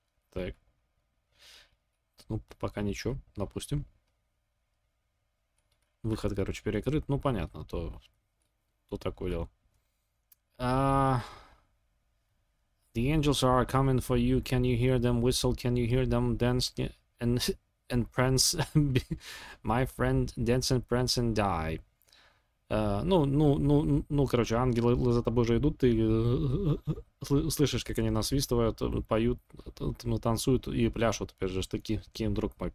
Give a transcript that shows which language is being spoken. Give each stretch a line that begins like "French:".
Russian: Так. Ну, пока ничего, допустим. Выход, короче, перекрыт. Ну, понятно, то такое дело.
English: The angels are coming for you. Can you hear them whistle? Can you hear them dance and prance? My friend, dance and prance and die.
Russian: Ну, короче, ангелы за тобой же идут, ты слышишь, как они насвистывают, поют, танцуют и пляшут, опять же, такие вдруг.